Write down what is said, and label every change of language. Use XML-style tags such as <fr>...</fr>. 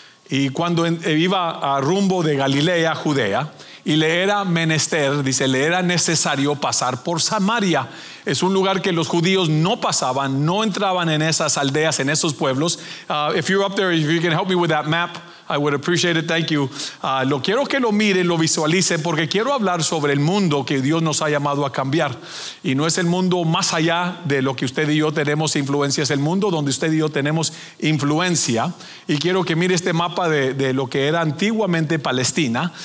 <es>Y cuando iba a rumbo de Galilea a Judea, y le era menester, dice, le era necesario pasar por Samaria. Es un lugar que los judíos no pasaban, no entraban en esas aldeas, en esos pueblos.</es> <en>If you're up there, if you can help me with that map, I would appreciate it, thank you.</en> <es>Lo quiero que lo miren, lo visualicen, porque quiero hablar sobre el mundo que Dios nos ha llamado a cambiar. Y no es el mundo más allá de lo que usted y yo tenemos influencia, es el mundo donde usted y yo tenemos influencia. Y quiero que mire este mapa de lo que era antiguamente Palestina.</es>